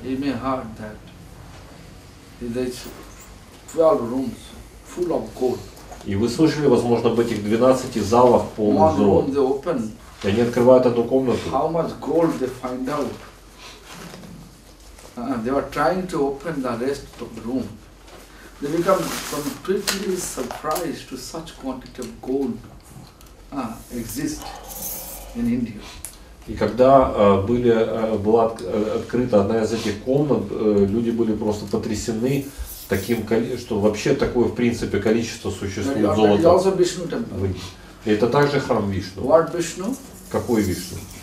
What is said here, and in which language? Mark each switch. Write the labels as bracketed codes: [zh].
[en] You may heard that there's 12 rooms full of gold. [ru] И вы слышали, возможно, об этих 12 залах полных золота. И они открывают эту комнату. [en] How much gold they find out? They were trying to open the rest of the room. They become completely surprised to such quantity of gold exist. [ru] И когда была открыта одна из этих комнат, люди были просто потрясены таким, что вообще такое в принципе количество существует золота. Это также храм Вишну. [en] What Vishnu? [ru] Какой Вишну?